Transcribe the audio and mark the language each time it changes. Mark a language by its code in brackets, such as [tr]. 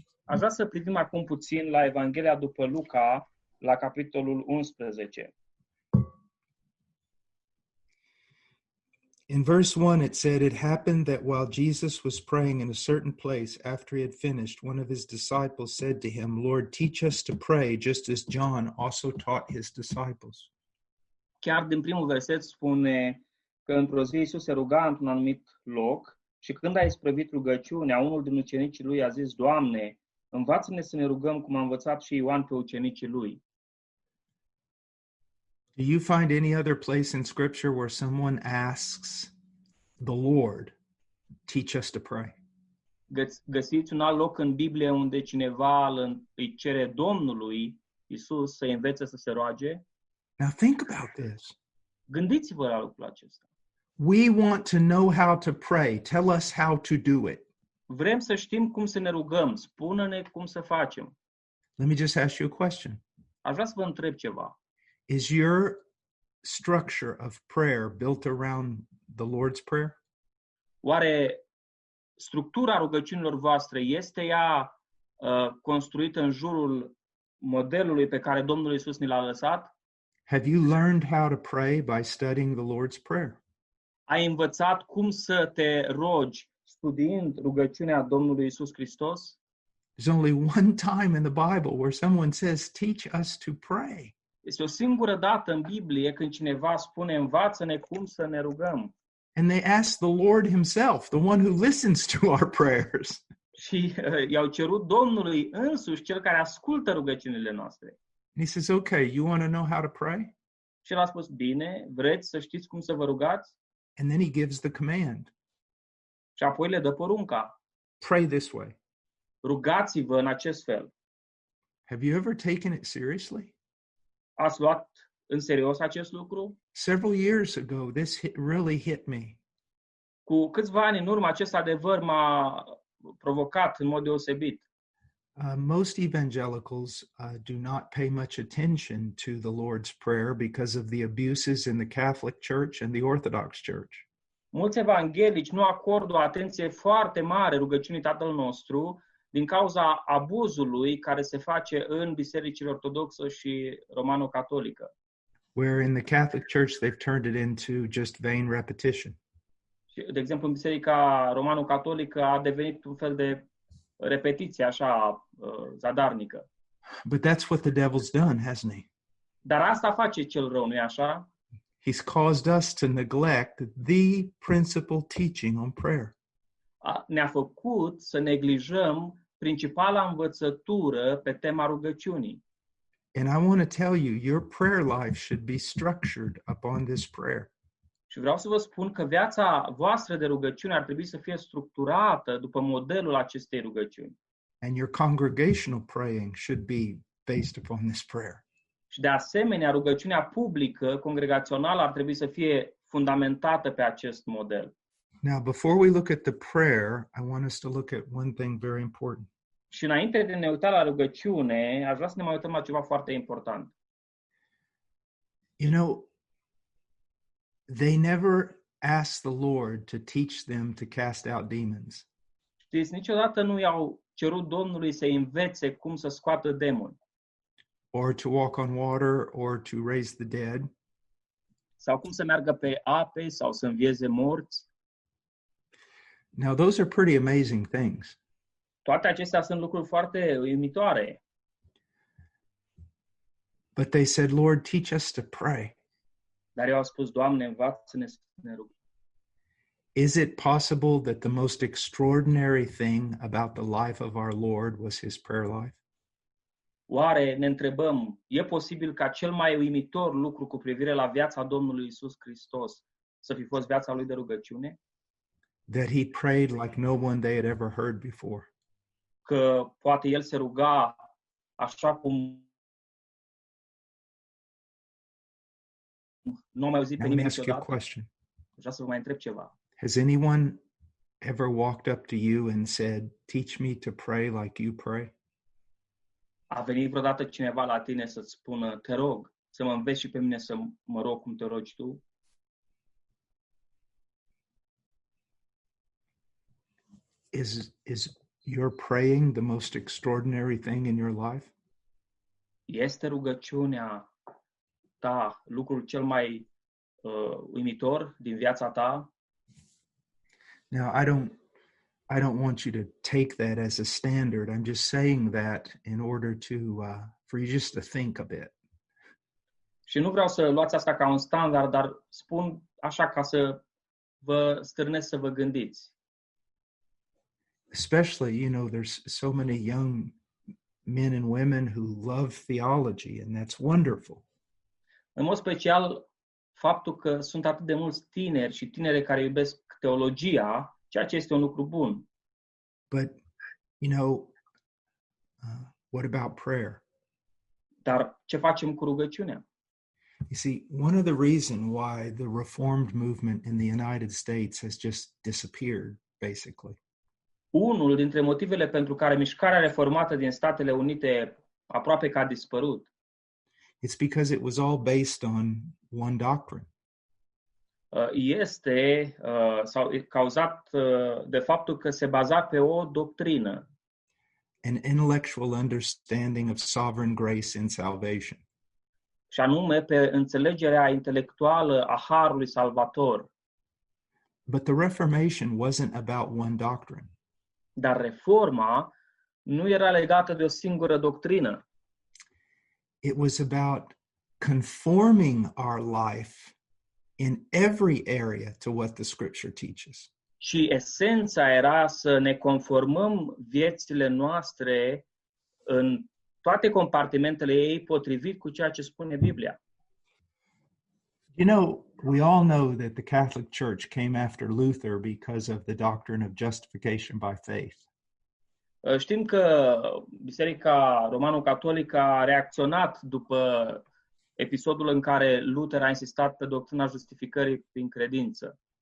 [ro] Aș vrea să privim acum puțin la Evanghelia după Luca, la capitolul 11. [en] In verse 1, it said, it happened that while Jesus was praying in a certain place, after he had finished, one of his disciples said to him, Lord, teach us to pray, just as John also taught his disciples. [ro] Chiar din primul verset spune că într-o zi Iisus se ruga într-un anumit loc și când a isprăvit rugăciunea, unul din ucenicii lui a zis, Doamne, învață-ne să ne rugăm cum a învățat și Ioan pe ucenicii lui. [en] Do you find any other place in Scripture where someone asks the Lord, teach us to pray? [ro] Găsiți un alt loc în Biblie unde cineva îi cere Domnului Iisus să învețe să se roage? [en] Now think about this. [ro] Gândiți-vă la lucrul acesta. [en] We want to know how to pray. Tell us how to do it. [ro] Vrem să știm cum să ne rugăm. Spune-ne cum să facem. [en] Let me just ask you a question. [ro] Aș vrea să vă întreb ceva. [en] Is your structure of prayer built around the Lord's Prayer? [ro] Oare structura rugăciunilor voastre este ea construită în jurul modelului pe care Domnul Iisus ni l-a lăsat? [en] Have you learned how to pray by studying the Lord's Prayer? [ro] Ai învățat cum să te rogi studiind rugăciunea Domnului Iisus Hristos? [en] There's only one time in the Bible where someone says, teach us to pray. [ro] Este o singură dată în Biblie când cineva spune, învață-ne cum să ne rugăm. [en] And they ask the Lord himself, the one who listens to our prayers. [ro] Și i-au cerut Domnului însuși, cel care ascultă rugăciunile noastre. [en] And he says, okay, you want to know how to pray? [ro] Și l-a spus, bine, vreți să știți cum să vă rugați? [en] And then he gives the command. [ro] Și apoi le dă porunca. [en] Pray this way. [ro] Rugați-vă în acest fel. [en] Have you ever taken it seriously? [ro] Ați luat în serios acest lucru? [en] Several years ago, this really hit me. [ro] Cu câțiva ani în urmă, acest adevăr m-a provocat în mod deosebit. [en] Most evangelicals do not pay much attention to the Lord's Prayer because of the abuses in the Catholic Church and the Orthodox Church. [ro] Mulți evanghelici nu acordă o atenție foarte mare rugăciunii Tatăl nostru din cauza abuzului care se face în bisericile ortodoxă și romano-catolică. [en] Where in the Catholic Church they've turned it into just vain repetition. [ro] De exemplu, în biserica romano-catolică a devenit un fel de repetiție așa zadarnică. [en] But that's what the devil's done, hasn't he? [ro] Dar asta face cel rău, nu-i așa? [en] He's caused us to neglect the principal teaching on prayer. [ro] Ne-a făcut să neglijăm principala învățătură pe tema rugăciunii. [en] And I want to tell you, your prayer life should be structured upon this prayer. [ro] Și vreau să vă spun că viața voastră de rugăciune ar trebui să fie structurată după modelul acestei rugăciuni. [en] And your congregational praying should be based upon this prayer. [ro] Și de asemenea, rugăciunea publică, congregațională, ar trebui să fie fundamentată pe acest model. [en] Now, before we look at the prayer, I want us to look at one thing very important. [ro] Și înainte de ne uita la rugăciune, aș vrea să ne mai uităm la ceva foarte important. [en] You know, they never ask the Lord to teach them to cast out demons. [ro] Știți, niciodată nu i-au cerut Domnului să învețe cum să scoată demoni. [en] Or to walk on water, or to raise the dead. [ro] Sau cum să meargă pe ape, sau să învieze morți. [en] Now, those are pretty amazing things. [ro] Toate acestea sunt lucruri foarte uimitoare. [en] But they said, Lord, teach us to pray. [ro] Dar eu am spus, Doamne, învață-ne să ne rugăm. [en] Is it possible that the most extraordinary thing about the life of our Lord was his prayer life? [ro] Oare ne întrebăm, e posibil ca cel mai uimitor lucru cu privire la viața Domnului Iisus Hristos să fi fost viața lui de rugăciune? [en] That he prayed like no one they had ever heard before. [ro] Că poate el se ruga așa cum nu am auzit pe nimeni niciodată. [en] Let me ask you a question. [ro] Vreau să vă mai întreb ceva. [en] Has anyone ever walked up to you and said, teach me to pray like you pray? [ro] A venit vreodată cineva la tine să-ți spună, te rog, să mă înveți și pe mine să mă rog cum te rogi tu? [en] is your praying the most extraordinary thing in your life? [ro] Este rugăciunea ta lucrul cel mai uimitor din viața ta? [en] Now, I don't want you to take that as a standard. I'm just saying that in order to for you just to think a bit. [ro] Și nu vreau să luați asta ca un standard, dar spun așa ca să vă stârnesc să vă gândiți. [en] Especially, you know, there's so many young men and women who love theology, and that's wonderful. [ro] În mod special, faptul că sunt atât de mulți tineri și tinere care iubesc teologia, ceea ce este un lucru bun. [en] But, you know, what about prayer? [ro] Dar ce facem cu rugăciunea? [en] You see, one of the reasons why the Reformed movement in the United States has just disappeared, basically. [ro] Unul dintre motivele pentru care mișcarea reformată din Statele Unite aproape că a dispărut. [en] It's because it was all based on one doctrine. [ro] Este sau cauzat de faptul că se baza pe o doctrină. [en] An intellectual understanding of sovereign grace in salvation. [ro] Și anume pe înțelegerea intelectuală a harului salvator. [en] But the Reformation wasn't about one doctrine. [ro] Dar reforma nu era legată de o singură doctrină. [en] It was about conforming our life in every area to what the scripture teaches. [ro] Și esența era să ne conformăm viețile noastre în toate compartimentele ei potrivit cu ceea ce spune Biblia. [en] You know, we all know that the Catholic Church came after Luther because of the doctrine of justification by faith. [ro] Știm că Biserica Romano-Catolică a reacționat după episodul în care Luther a insistat pe doctrina justificării prin credință.